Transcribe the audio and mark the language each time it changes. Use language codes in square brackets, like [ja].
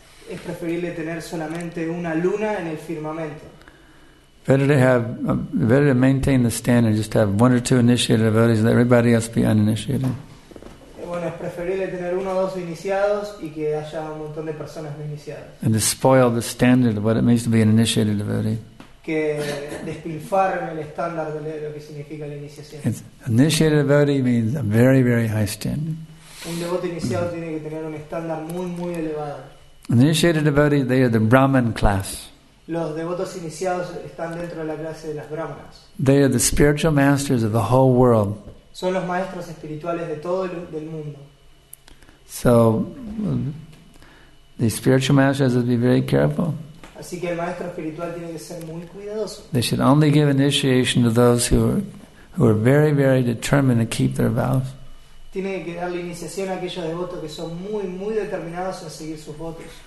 [es] Es preferible tener solamente una luna en el firmamento. [en] Better to maintain the standard, just have one or two initiated devotees, let everybody else be uninitiated. [es] Bueno, es preferible tener uno o dos iniciados y que haya un montón de personas no iniciadas. [en] And to spoil the standard of what it means to be an initiated devotee. [es] Que despilfarren el estándar de lo que significa la iniciación. [en] It's, initiated devotee means a very, very high standard. [es] Un devoto iniciado tiene que tener un estándar muy, muy elevado. [en] Initiated devotees, they are the Brahman class. [es] Los devotos iniciados están dentro de la clase de las brahmanas. [en] They are the spiritual masters of the whole world. [es] Son los maestros espirituales de todo el mundo. [en] So, the spiritual masters have to be very careful. [es] Así que el maestro espiritual tiene que ser muy cuidadoso. [en] They should only give initiation to those who are very, very determined to keep their vows. [es] Tiene que darle iniciación a aquellos devotos que son muy, muy determinados en seguir sus votos.